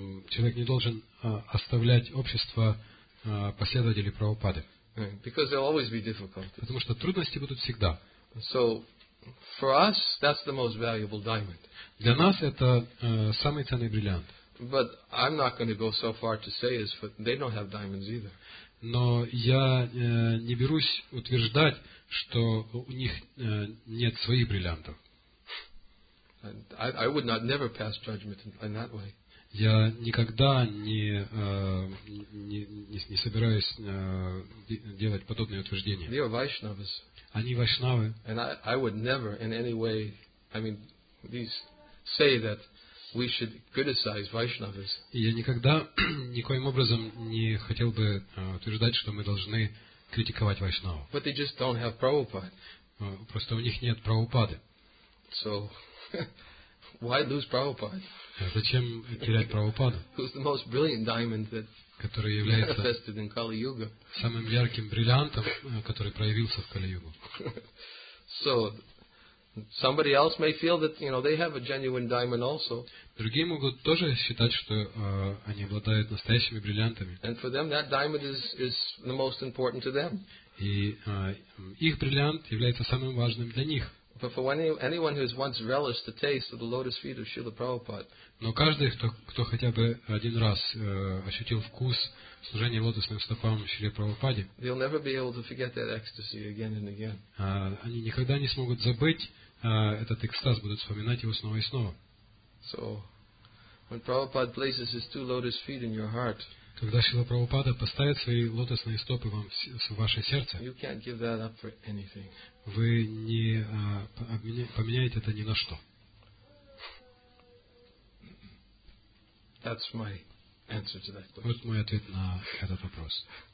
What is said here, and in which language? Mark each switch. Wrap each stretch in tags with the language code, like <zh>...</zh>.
<ru>Человек не должен оставлять общество последователей Прабхупады.</ru> <en>Because there'll always be difficulties.</en> <ru>Потому что трудности будут всегда.</ru> <en>So, for us, that's the most valuable diamond.</en> <ru>Для нас это самый ценный бриллиант.</ru> <en>But I'm not going to go so far to say is they don't have diamonds either.</en> <ru>Но я не берусь утверждать, что у них нет своих бриллиантов.</ru> <en>I would not never pass judgment in that way.</en> <ru>Я никогда не собираюсь делать подобные утверждения.</ru> <en>They are Vaishnavas.</en> <ru>Они вайшнавы.</ru> <en>And I would never in any way, I mean, these say that we should criticize Vaishnavas.</en> <ru>Я никогда никоим образом не хотел бы утверждать, что мы должны критиковать вайшнаву.</ru> <en>But they just don't have Prabhupada.</en> <ru>Просто у них нет Прабхупады.</ru> <en>So why lose Prabhupada?</en> <ru>Зачем терять Прабхупаду?</ru> <en>Who's the most brilliant diamond that</en> <ru>который является</ru> <en>in Kali Yuga.</en> <ru>Самым ярким бриллиантом, который проявился в Кали-Югу.</ru> <en>So somebody else may feel that, you know, they have a genuine diamond also.</en> <ru>Другие могут тоже считать, что они обладают настоящими бриллиантами.</ru> <en>And for them that diamond is the most important to them.</en> <ru>И их бриллиант является самым важным для них.</ru> <en>But for anyone who has once relished the taste of the lotus feet of Srila Prabhupada.</en> <ru>Но каждый, кто хотя бы один раз ощутил вкус служения лотосным стопам Шри Прабхупаде,</ru> <en>they'll never be able to forget that ecstasy again and again.</en> <ru>Они никогда не смогут забыть этот экстаз, будут вспоминать его снова и снова.</ru> <en>So, when Prabhupada places his two lotus feet in your heart,</en> <ru>когда Шрила Прабхупада поставит свои лотосные стопы вам в ваше сердце,</ru> <en>you can't give that up for anything.</en> <ru>Вы не поменяете это ни на что.</ru> <en>That's my answer to that question.</en> <ru>Вот мой ответ на этот вопрос.</ru>